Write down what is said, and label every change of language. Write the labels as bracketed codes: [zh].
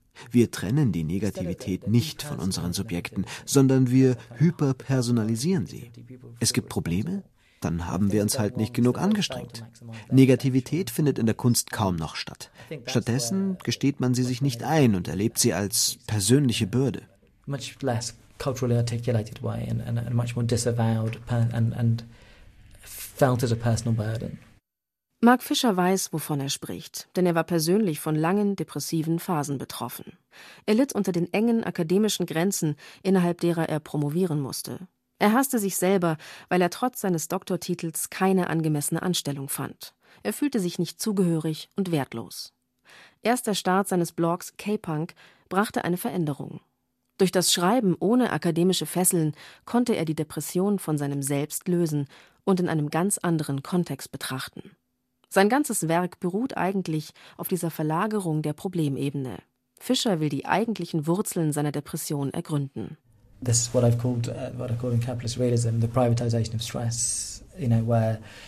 [de] Wir trennen die Negativität nicht von unseren Subjekten, sondern wir hyperpersonalisieren sie. Es gibt Probleme? Dann haben wir uns halt nicht genug angestrengt. Negativität findet in der Kunst kaum noch statt. Stattdessen gesteht man sie sich nicht ein und erlebt sie als persönliche Bürde. [en] Much less culturally articulated way and much more disavowed and felt as a personal burden. [de] Mark Fischer weiß, wovon er spricht, denn er war persönlich von langen, depressiven Phasen betroffen. Er litt unter den engen akademischen Grenzen, innerhalb derer er promovieren musste. Er hasste sich selber, weil er trotz seines Doktortitels keine angemessene Anstellung fand. Er fühlte sich nicht zugehörig und wertlos. Erst der Start seines Blogs K-Punk brachte eine Veränderung. Durch das Schreiben ohne akademische Fesseln konnte er die Depression von seinem Selbst lösen und in einem ganz anderen Kontext betrachten. Sein ganzes Werk beruht eigentlich auf dieser Verlagerung der Problemebene. Fischer will die eigentlichen Wurzeln seiner Depression ergründen. [en] This is what I call in capitalist realism the privatization of stress, you know, where